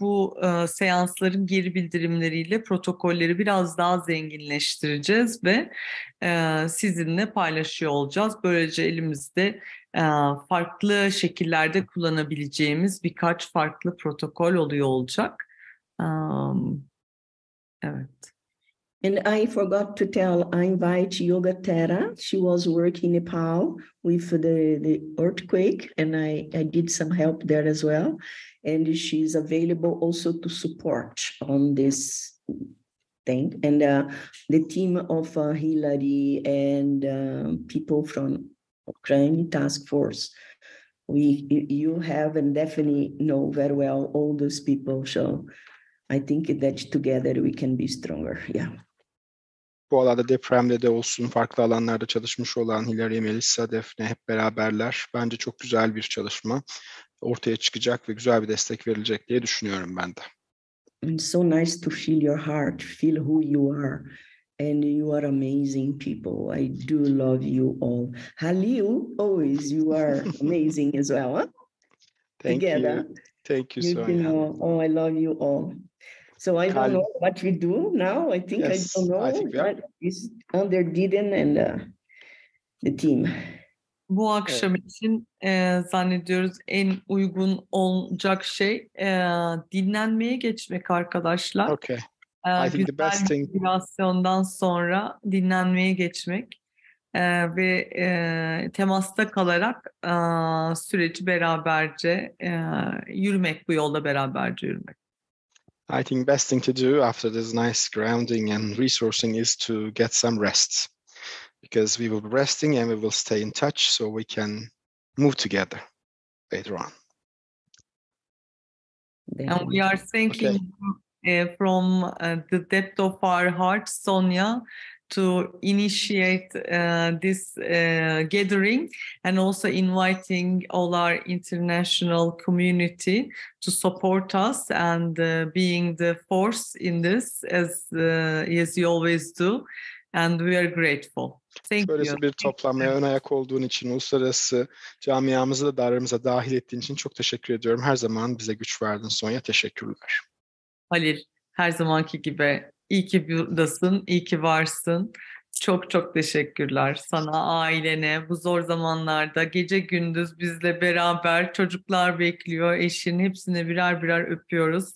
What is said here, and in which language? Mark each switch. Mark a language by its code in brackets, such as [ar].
[tr] Bu seansların geri bildirimleriyle protokolleri biraz daha zenginleştireceğiz ve sizinle paylaşıyor olacağız. Böylece elimizde farklı şekillerde kullanabileceğimiz birkaç farklı protokol oluyor olacak. Evet. [en] And I forgot to tell, I invite Yoga Tara. She was working in Nepal with the earthquake, and I did some help there as well. And she's available also to support on this thing. And the team of Hillary and people from Ukraine Task Force, you have and definitely know very well all those people. So I think that together we can be stronger. Yeah. [tr] Bu alanda depremde de olsun, farklı alanlarda çalışmış olan Hilary, Melissa, Defne hep beraberler. Bence çok güzel bir çalışma ortaya çıkacak ve güzel bir destek verilecek diye düşünüyorum ben de. [en] And so nice to feel your heart, feel who you are. And you are amazing people. I do love you all. Halil, always you are amazing as well. Huh? Thank you, Sonia. I love you all. So I don't know what we do now. I think yes, I don't know. I think we are. It's under Didin and the team. [tr] Bu akşam evet. için zannediyoruz en uygun olacak şey dinlenmeye geçmek arkadaşlar. [en] Okay. [tr] Regülasyondan sonra dinlenmeye geçmek ve temasta kalarak süreci beraberce yürümek, bu yolda beraberce yürümek. [en] I think best thing to do after this nice grounding and resourcing is to get some rest. Because we will be resting and we will stay in touch so we can move together later on. And we are thinking... Okay. From the depth of our hearts, Sonia, to initiate this gathering and also inviting all our international community to support us and being the force in this, as you always do. And we are grateful. Thank [tr] Böylesi [en] you. [tr] Bir toplanmaya ön ayak olduğun için, uluslararası camiamızı da dairemize dahil ettiğin için çok teşekkür ediyorum. Her zaman bize güç verdin Sonia. Teşekkürler. Halil, her zamanki gibi iyi ki buradasın, iyi ki varsın. Çok çok teşekkürler sana, ailene. Bu zor zamanlarda gece gündüz bizle beraber, çocuklar bekliyor, eşin, hepsini birer birer öpüyoruz.